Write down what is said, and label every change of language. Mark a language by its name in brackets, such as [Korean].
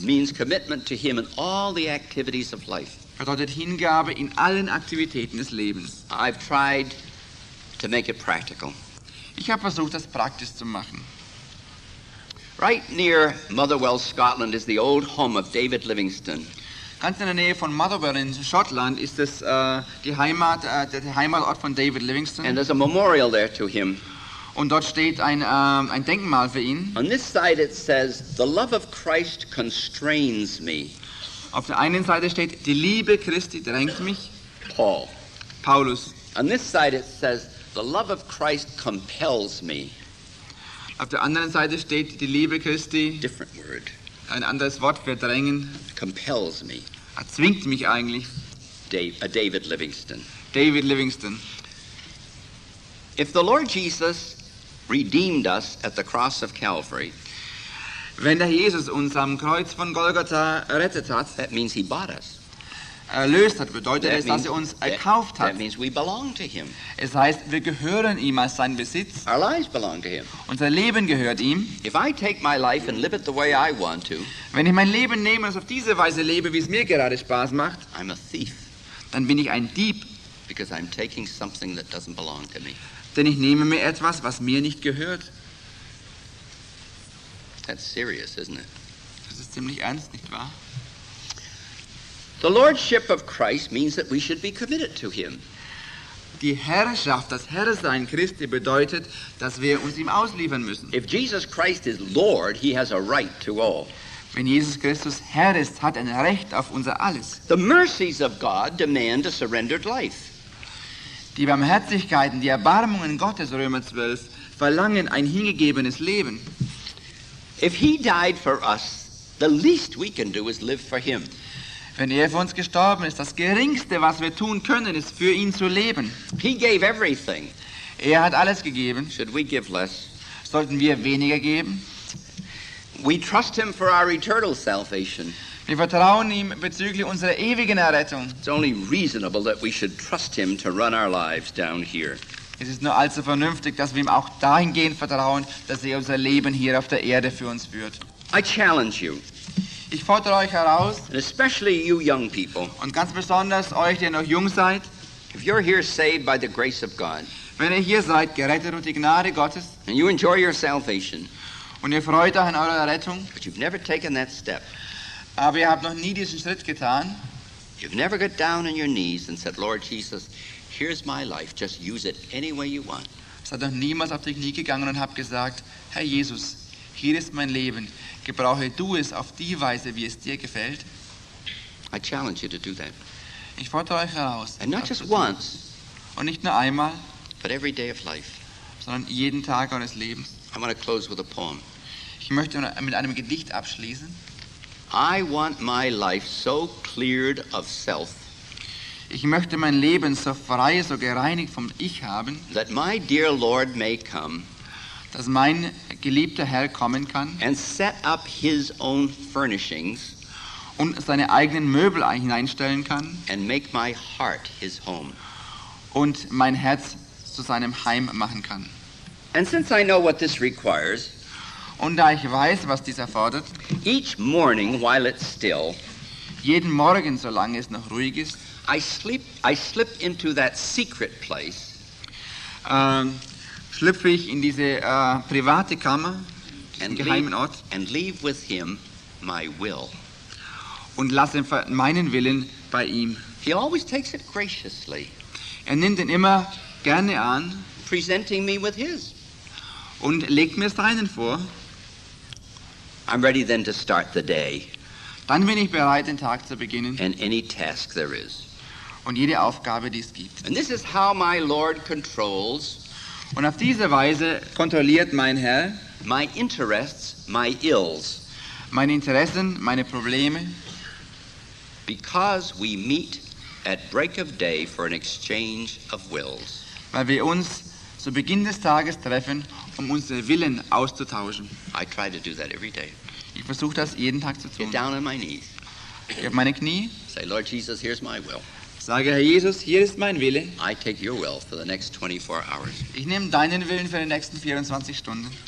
[English] Means commitment to him in all the activities of life. [German] Bedeutet Hingabe in allen Aktivitäten des Lebens. [English] I've tried to make it practical. [German] Ich habe versucht, das praktisch zu machen. [English] Right near Motherwell, Scotland, is the old home of David Livingstone. [German] Ganz in der Nähe von Motherwell in Schottland ist das die Heimat, der Heimatort von David Livingstone. [English] And there's a memorial there to him. [German] Und dort steht ein Denkmal für ihn. [English] On this side it says, "The love of Christ constrains me." [German] Auf der einen Seite steht, die Liebe Christi drängt mich. [English] Paul. [German] Paulus. [English] On this side it says, the love of Christ compels me. [German] Auf der anderen Seite steht, die Liebe Christi. [English] Different word. [German] Ein anderes Wort für drängen. [English] Compels me. [German] Erzwingt mich eigentlich. [English] David Livingstone. [German] David Livingstone. [English] If the Lord Jesus redeemed us at the cross of Calvary. [German] Wenn der Jesus uns am Kreuz von Golgatha rettet hat, [English] that means he bought us. [German] Erlöst hat, bedeutet es, dass er uns erkauft hat. [English] That means we belong to him. [German] Es heißt, wir gehören ihm als sein Besitz. [English] Our lives belong to him. [German] Unser Leben gehört ihm. [English] If I take my life and live it the way I want to, [German] wenn ich mein Leben nehme und auf diese Weise lebe, wie es mir gerade Spaß macht, [English] I'm a thief. [German] Dann bin ich ein Dieb. [English] Because I'm taking something that doesn't belong to me. [German] Denn ich nehme mir etwas, was mir nicht gehört. [English] That's serious, isn't it? [German] Das ist ziemlich ernst, nicht wahr? [English] The lordship of Christ means that we should be committed to him. [German] Die Herrschaft, das Herrsein Christi bedeutet, dass wir uns ihm ausliefern müssen. [English] If Jesus Christ is Lord, he has a right to all. [German] Wenn Jesus Christus Herr ist, hat er ein Recht auf unser alles. [English] The mercies of God demand a surrendered life. [German] Die Barmherzigkeiten, die Erbarmungen Gottes, Römer 12, verlangen ein hingegebenes Leben. [English] If he died for us, the least we can do is live for him. [German] Wenn er für uns gestorben ist, das Geringste, was wir tun können, ist für ihn zu leben. [English] He gave everything. [German] Er hat alles gegeben. [English] Should we give less? [German] Sollten wir weniger geben? [English] We trust him for our eternal salvation. [German] Wir vertrauen ihm bezüglich unserer ewigen Errettung. [English] It's only reasonable that we should trust him to run our lives down here. [German] Es ist nur allzu vernünftig, dass wir ihm auch dahingehend vertrauen, dass er unser Leben hier auf der Erde für uns führt. [English] I challenge you. [German] Ich fordere euch heraus. [English] And especially you young people. [German] Und ganz besonders euch, die noch jung seid. [English] If you're here saved by the grace of God. [German] Wenn ihr hier seid, gerettet durch die Gnade Gottes, [English] and you enjoy your salvation, [German] und ihr freut euch an eurer Errettung, [English] but you've never taken that step, [German] aber ihr habt noch nie diesen Schritt getan, [English] you've never got down on your knees and said, Lord Jesus, here's my life, just use it any way you want. [German] Seid noch niemals auf die Knie gegangen und habt gesagt, Herr Jesus, hier ist mein Leben, gebrauche du es auf die Weise, wie es dir gefällt. [English] I challenge you to do that. [German] Ich fordere euch heraus. [English] And not just once. [German] Und nicht nur einmal. [English] But every day of life. [German] Sondern jeden Tag eures Lebens. [English] I'm going to close with a poem. [German] Ich möchte mit einem Gedicht abschließen. [English] I want my life so cleared of self. [German] Ich möchte mein Leben so frei, so gereinigt vom Ich haben. [English] That my dear Lord may come. [German] Dass mein geliebter Herr kommen kann. [English] And set up his own furnishings. [German] Und seine eigenen Möbel hineinstellen kann. [English] And make my heart his home. [German] Und mein Herz zu seinem Heim machen kann. [English] And since I know what this requires, [German] und da ich weiß, was dies erfordert, [English] each morning while it's still, [German] jeden Morgen, solange es noch ruhig ist, [English] I slip into that secret place, [German] schlüpfe ich in diese private Kammer, [English] and [German] geheimen Ort, [English] and leave with him my will. [German] Und lasse meinen Willen bei ihm. [English] He always takes it graciously. [German] Er nimmt ihn immer gerne an. [English] Presenting me with his. [German] Und legt mir seinen vor. [English] I'm ready then to start the day. [German] Dann bin ich bereit, den Tag zu beginnen. [English] And any task there is. [German] Und jede Aufgabe, die es gibt. [English] And this is how my Lord controls. [German] Und auf diese Weise kontrolliert mein Herr. [English] My interests, my ills. [German] Meine Interessen, meine Probleme. [English] Because we meet at break of day for an exchange of wills. [German] Weil wir uns zu Beginn des Tages treffen, um unsere Willen auszutauschen. [English] I try to do that every day. [German] Ich versuche das jeden Tag zu tun. [English] Get down on my knees. [German] Ich auf meine Knie. [English] Say, Lord Jesus, here's my will. [German] Sage, Herr Jesus, hier ist mein Wille. [English] I take your will for the next 24 hours. [German] Ich nehme deinen Willen für die nächsten 24 Stunden.